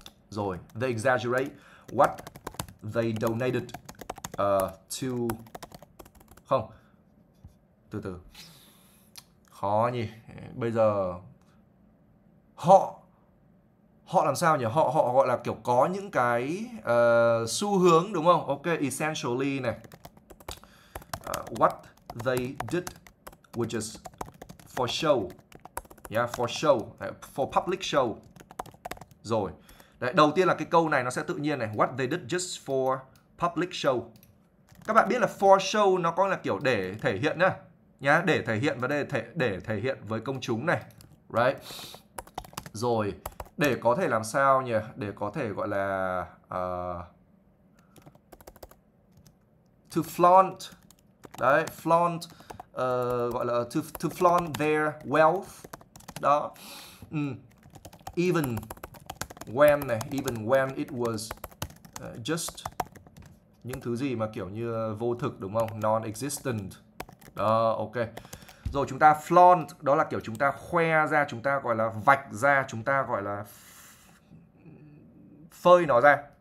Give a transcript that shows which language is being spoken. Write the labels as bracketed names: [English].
[Vietnamese] Rồi, [English] they exaggerate what they donated to, [Vietnamese] không, từ từ, khó nhỉ, bây giờ họ họ làm sao nhỉ, họ họ gọi là kiểu có những cái xu hướng đúng không? [English] Ok, essentially này, what they did, which is for show, for show, for public show. [Vietnamese] Rồi, đấy, đầu tiên là cái câu này nó sẽ tự nhiên này, [English] what they did just for public show. [Vietnamese] Các bạn biết là for show nó có là kiểu để thể hiện nhá, để thể hiện và để thể hiện với công chúng này, right? Rồi, để có thể làm sao nhỉ? Để có thể gọi là to flaunt. [English] Đấy, flaunt, gọi là to flaunt their wealth. [Vietnamese] Đó. [English] Even when [Vietnamese] này, [English] even when it was just [Vietnamese] những thứ gì mà kiểu như vô thực đúng không? [English] Non-existent. [Vietnamese] Đó, ok. Rồi chúng ta flaunt, đó là kiểu chúng ta khoe ra, chúng ta gọi là vạch ra, chúng ta gọi là phơi nó ra.